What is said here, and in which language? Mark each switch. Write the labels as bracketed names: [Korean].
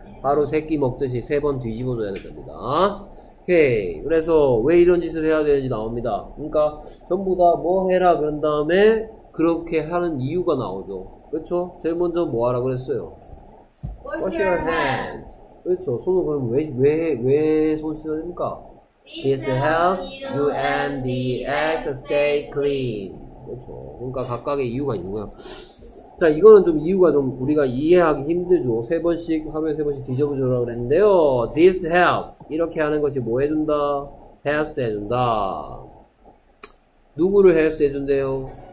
[Korean] 하루 세 끼 먹듯이 세 번 뒤집어줘야 됩니다. 오케이. 그래서 왜 이런 짓을 해야 되는지 나옵니다. 그러니까 전부 다 뭐 해라 그런 다음에 그렇게 하는 이유가 나오죠. 그렇죠? 제일 먼저 뭐 하라 그랬어요? [English] Wash your hands. [Korean] 그렇죠. 손을 그럼 왜 손 씻어야 됩니까? [English] This helps you and the ass stay clean. [Korean] 그렇죠. 그러니까 각각의 이유가 있는 거야. 자, 이거는 좀 이유가 좀 우리가 이해하기 힘들죠. 세 번씩, 하루에 세 번씩 뒤져보자라고 그랬는데요. [English] This helps. [Korean] 이렇게 하는 것이 뭐 해준다? Helps 해준다. 누구를 helps 해준대요?